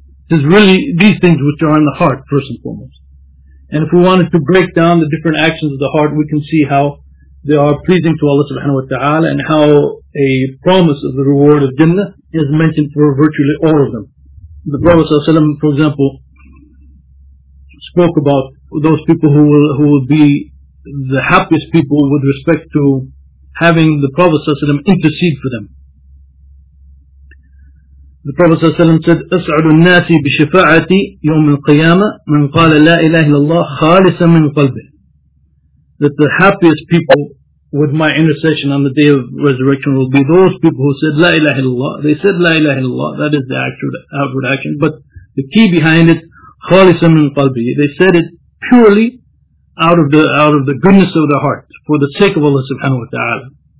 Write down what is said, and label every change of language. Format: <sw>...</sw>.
<en>It is really these things which are in the heart, first and foremost. And if we wanted to break down the different actions of the heart, we can see how they are pleasing to Allah subhanahu wa ta'ala and how a promise of the reward of Jannah is mentioned for virtually all of them. The Prophet, for example, spoke about those people who will be the happiest people with respect to having the Prophet ﷺ intercede for them. The Prophet ﷺ said,</en> <ar>أَسْعُدُ النَّاسِ بِشِفَاعَةِ يَوْمِ الْقِيَامَةِ مَنْ قَالَ لَا إِلَهِ لَلَّهِ خَالِصًا مِنْ قَلْبِهِ.</ar> <en>That the happiest people with my intercession on the day of resurrection will be those people who said La ilaha illallah. They said La ilaha illallah. That is the actual outward action. But the key behind it,</en> <ar>khalisam min qalbi.</ar> <en>They said it purely out of the goodness of their heart for the sake of Allah subhanahu wa ta'ala.</en>